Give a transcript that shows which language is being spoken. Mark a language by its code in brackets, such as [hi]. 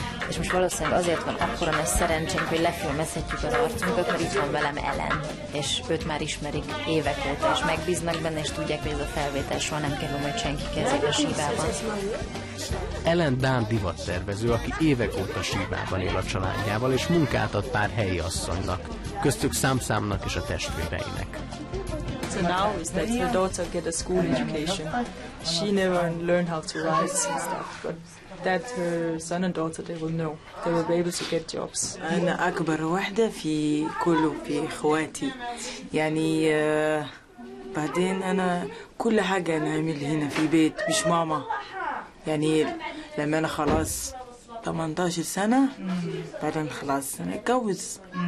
[hu] És most valószínűleg azért van akkora nagy szerencsénk, hogy lefilmezhetjük az arcunkat, mert itt van velem Ellen, és őt már ismerik évek óta, és megbíznak benne, és tudják, hogy ez a felvétel soha nem kerül majd senki kezébe Sivában. Ellen dán divattervező, aki évek óta Sivában él a családjával, és munkát ad pár helyi asszonynak, köztük Szám-Számnak és a testvéreinek. [en] So now is that her daughter get a school education. She never learned how to write and stuff, but that her son and daughter, they will know. They will be able to get jobs. [ar] أنا أكبر واحدة في كله في إخواتي. يعني بعدين أنا كل حاجة أنا أعمل هنا في البيت مش ماما. يعني لما أنا خلاص 18 سنة بعدين خلاص أنا أتجوز.